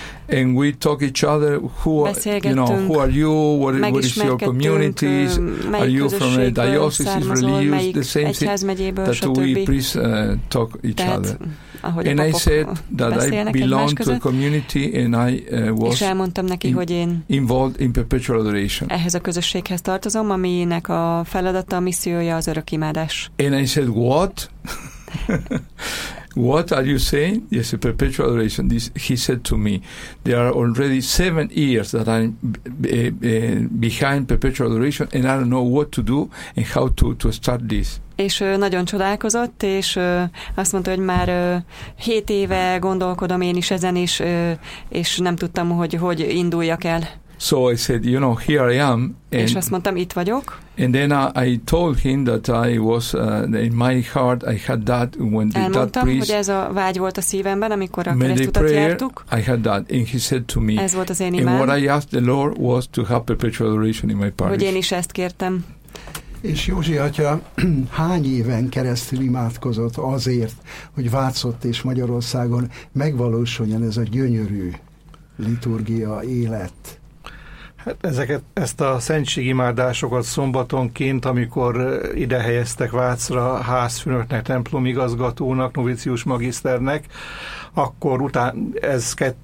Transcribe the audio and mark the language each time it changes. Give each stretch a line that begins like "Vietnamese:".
English: And we talk each other, who are you, what is your community, are you from a diocese, religious, the same thing, that we priests talk each other. And I said that I belong to a community and I was involved in perpetual adoration.
Hungarian: Ehhez a közösséghez tartozom, aminek a feladata, a missziója az örökimádás.
English: And I said, what? What are you saying? Yes, a perpetual adoration. This, he said to me, there are already 7 years that I'm behind perpetual adoration and I don't know what to do and how to start this.
Hungarian: És nagyon csodálkozott, és azt mondta, hogy már 7 éve gondolkodom én is ezen is, és nem tudtam, hogy induljak el.
English: So I said, you know, here I am.
Hungarian: És azt mondtam, itt vagyok.
English: And then I told him that I was in my heart I had that when the
Hungarian: elmondtam,
English: that priest.
Hungarian: Hogy ez a vágy volt a szívemben, amikor a keresztutat jártuk.
English: I had that, and he said to me.
Hungarian: Ez volt az én imám.
English: And what I asked the Lord was to have perpetual adoration in my parish.
Hungarian: Hogy én is ezt kértem. És Józsi atya hány éven keresztül imádkozott azért, hogy Vácott és Magyarországon megvalósuljon ez a gyönyörű liturgia élet? Hát ezeket, ezt a szentségimádásokat szombatonként, amikor ide helyeztek Vácra házfőnöknek, templomigazgatónak, novicius magiszternek, akkor után ez